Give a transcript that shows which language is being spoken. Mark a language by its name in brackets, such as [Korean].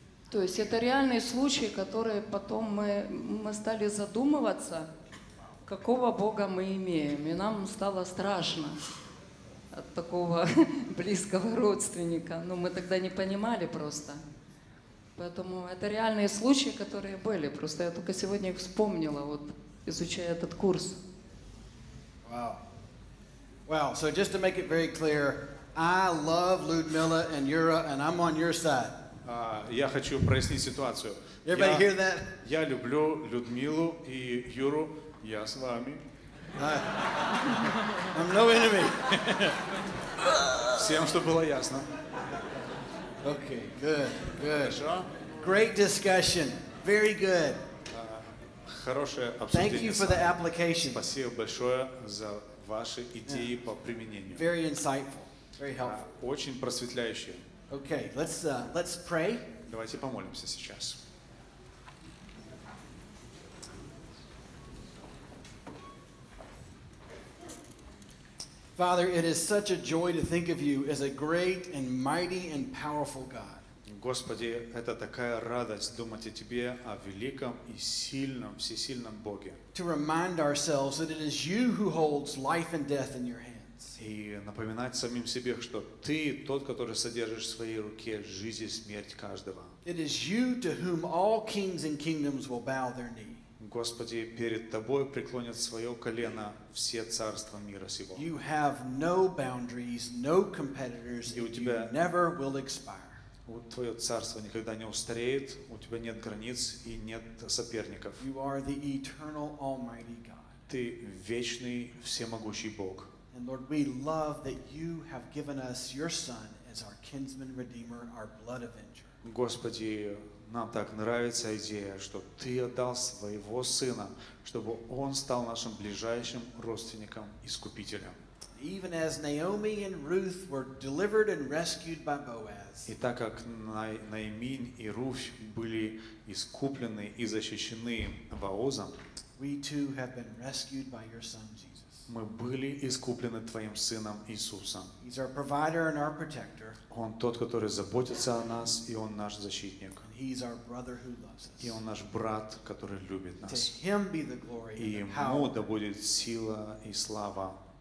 [Russian] То есть это реальный случай, который потом мы стали задумываться, какого Бога мы имеем. И нам стало страшно от такого близкого родственника. Ну, мы тогда не понимали просто. Поэтому это реальные случаи, которые были. Просто я только сегодня их вспомнила, вот, изучая этот курс. [English] Wow. Well, so just to make it very clear, I love Ludmilla and Yura, and I'm on your side. [Russian] Я хочу прояснить ситуацию. [English] Everybody hear that? [Russian] Я люблю Людмилу и Юру, Я с вами. [English] I'm no enemy. [Russian] Всем, чтобы было ясно. [English] Okay, good, good. [Russian] Хорошо? [English] Great discussion. Very good. [Russian] Хорошее обсуждение. [English] Thank you for the application. [Russian] Спасибо большое за ваши идеи по применению. [English] Very insightful. Very helpful. [Russian] Очень просветляющие. [English] Okay, let's pray. [Russian] Давайте помолимся сейчас. [English] Father, it is such a joy to think of you as a great and mighty and powerful God. [Russian] Господи, это такая радость думать о тебе, о великом и сильном, всесильном Боге. [English] To remind ourselves that it is you who holds life and death in your hands. [Russian] И напоминать самим себе, что ты тот, который содержишь в своей руке жизнь и смерть каждого. [English] It is you to whom all kings and kingdoms will bow their knee. [Russian] Господи, перед Тобой преклонят свое колено все царства мира сего. [English] You have no boundaries, no competitors, [Russian] и у тебя [English] you never will expire. [Russian] Твое царство никогда не устареет, у тебя нет границ и нет соперников. [English] You are the eternal almighty God. [Russian] Ты вечный всемогущий Бог. [English] And Lord, we love that you have given us your son as our kinsman redeemer, our blood avenger. [Russian] Господи, нам так нравится идея, что Ты отдал Своего Сына, чтобы Он стал нашим ближайшим родственником, Искупителем. [English] Even as Naomi and Ruth were delivered and rescued by Boaz. [Russian] И так как Наимень и Руфь были искуплены и защищены Боазом, [English] we too have been rescued by your Son Jesus. [Russian] Мы были искуплены Твоим Сыном Иисусом. [English] He's our provider and our protector. [Russian] Он тот, который заботится о нас, и Он наш защитник. [English] He's our brother who loves us. [Russian] И Он наш брат, который любит нас. [English] To him be the glory [Russian] и [English] and the power. [Russian] Ему да будет сила и слава